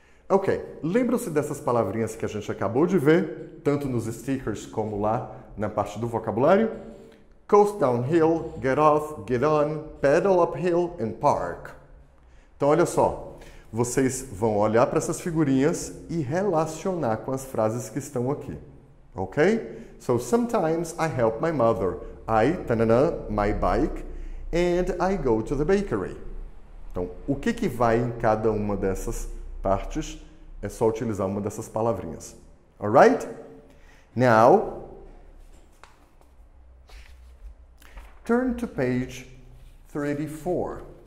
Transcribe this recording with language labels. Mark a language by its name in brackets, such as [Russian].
[Portuguese] Ok, lembram-se dessas palavrinhas que a gente acabou de ver, tanto nos stickers como lá na parte do vocabulário? [English] Coast downhill, get off, get on, pedal uphill and park. [Portuguese] Então, olha só, vocês vão olhar para essas figurinhas e relacionar com as frases que estão aqui. [English] Ok? So, sometimes I help my mother. I, tanana, my bike, and I go to the bakery. [Portuguese] Então, o que que vai em cada uma dessas partes, é só utilizar uma dessas palavrinhas. [English] Alright? Now, turn to page 34.